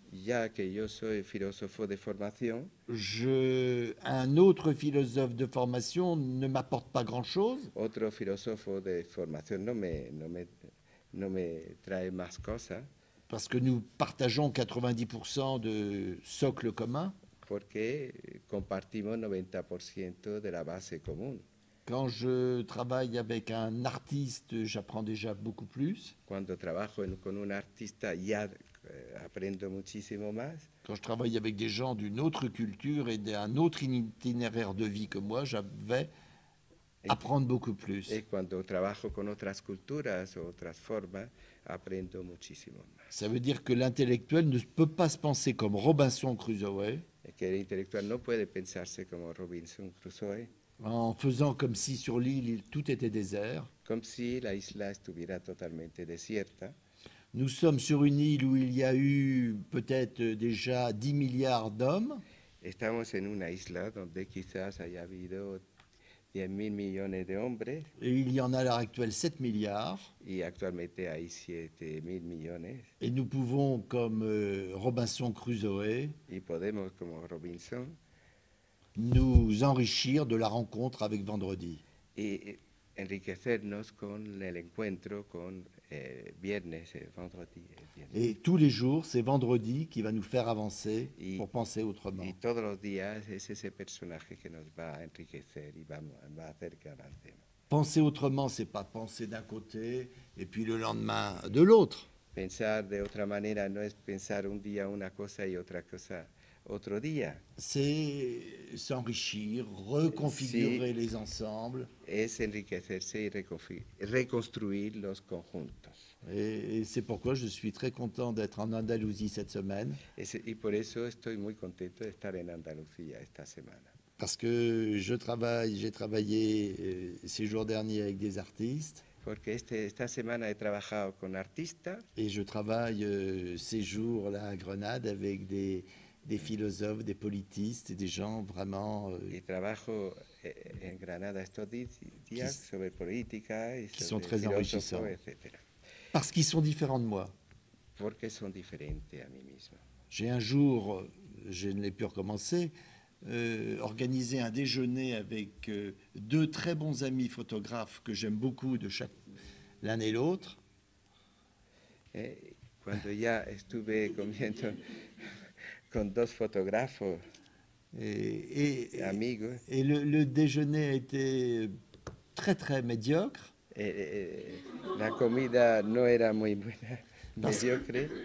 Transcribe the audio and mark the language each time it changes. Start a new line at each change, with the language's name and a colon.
Spanish: Ya que yo soy filósofo de formación.
French: Un autre philosophe de formation ne m'apporte pas grand-chose.
Spanish: Otro filósofo de formación no me trae más cosas.
French: Parce que nous partageons 90% de socle commun.
Spanish: Porque compartimos 90% de la base común.
French: Quand je travaille avec un artiste, j'apprends déjà beaucoup plus.
Spanish: Cuando trabajo con un artista, ya aprendo muchísimo más.
French: Quand je travaille avec des gens d'une autre culture et d'un autre itinéraire de vie que moi, j'avais apprendre beaucoup plus.
Spanish: Y cuando trabajo con otras culturas o otras formas, aprendo muchísimo más.
French: Ça veut dire que l'intellectuel ne peut pas se penser comme Robinson Crusoe.
Spanish: Que el intelectual no puede pensarse como Robinson Crusoe.
French: En faisant comme si sur l'île tout était désert. Comme si
Spanish: la isla estuviera totalmente desierta.
French: Nous sommes sur une île où il y a eu peut-être déjà 10 milliards d'hommes.
Spanish: Estamos en una isla donde quizás haya habido 10 mil millones de hombres.
French: Et il y en a à l'heure actuelle 7 milliards.
Spanish: Y actualmente hay 7 mil millones.
French: Et nous pouvons, comme Robinson Crusoe,
Spanish: y podemos, como Robinson,
French: nous enrichir de la rencontre avec vendredi.
Spanish: Y enriquecernos con el encuentro con viernes, vendredi.
French: Et tous les jours, c'est vendredi qui va nous faire avancer pour penser autrement.
Spanish: Y todos los días es ese personaje que nos va a enriquecer y va a hacer que avancemos.
French: Penser autrement, c'est pas penser d'un côté et puis le lendemain de l'autre.
Spanish: Pensar de otra manera no es pensar un día una cosa y otra cosa otro día.
French: C'est s'enrichir, reconfigurer les ensembles.
Spanish: Es enriquecerse y reconstruir los conjuntos.
French: Et c'est pourquoi je suis très content d'être en Andalousie cette semaine.
Spanish: Y por eso estoy muy contento de estar en Andalucía esta semana.
French: Parce que je travaille, j'ai travaillé ces jours derniers avec des artistes.
Spanish: Porque esta semana he trabajado con artistas.
French: Et je travaille ces jours là à Grenade avec des philosophes, des politistes et des gens vraiment.
Spanish: Y trabajo en Granada estos días sobre política y
French: qui sont très enrichissants, etc. Parce qu'ils sont différents de moi.
Spanish: Porque son diferente a mí mismo.
French: J'ai un jour, je ne l'ai plus recommencé, organisé un déjeuner avec deux très bons amis photographes que j'aime beaucoup de chaque l'un et l'autre. Et quand
Spanish: ya estuve comiendo con dos fotógrafos
French: et
Spanish: amigos.
French: Et le déjeuner a été très très médiocre.
Spanish: La comida no era muy buena, mediocre.